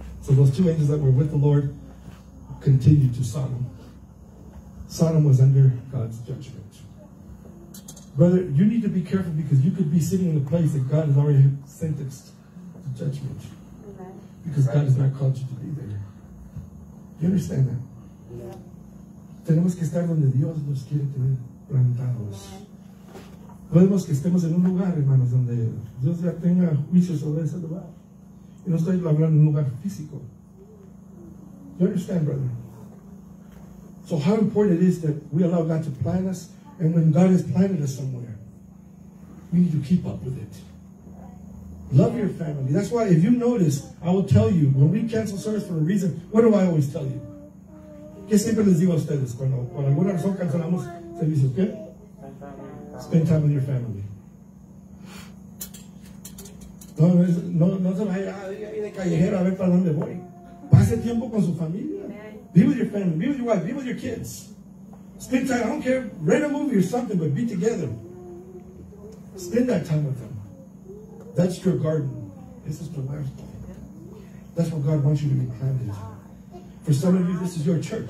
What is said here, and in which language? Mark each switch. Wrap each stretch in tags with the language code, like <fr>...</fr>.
<en>So those two angels that were with the Lord continued to Sodom. Sodom was under God's judgment. Brother, you need to be careful because you could be sitting in a place that God has already sentenced to judgment. Because God has not called you to be there. You understand that? Yeah.</en> <es>Tenemos que estar donde Dios nos quiere tener plantados. Podemos que estemos en un lugar, hermanos, donde Dios ya tenga juicio sobre ese lugar. Y no estoy hablando de un lugar físico.</es> <en>You understand, brother? So how important it is that we allow God to plan us, and when God has planted us somewhere, we need to keep up with it. Love your family. That's why if you notice, I will tell you, when we cancel service for a reason, what do I always tell you?</en> <es>¿Qué siempre les digo a ustedes cuando alguna razón cancelamos servicios? ¿Qué?</es> <en>Spend time with your family.</en> <es>No se vaya de callejero a ver para dónde voy. Pase tiempo con su familia.</es> <en>Be with your family. Be with your wife. Be with your kids. Spend time. I don't care. Rent a movie or something, but be together. Spend that time with them. That's your garden. This is the life. That's where God wants you to be planted. For some of you, this is your church.</en>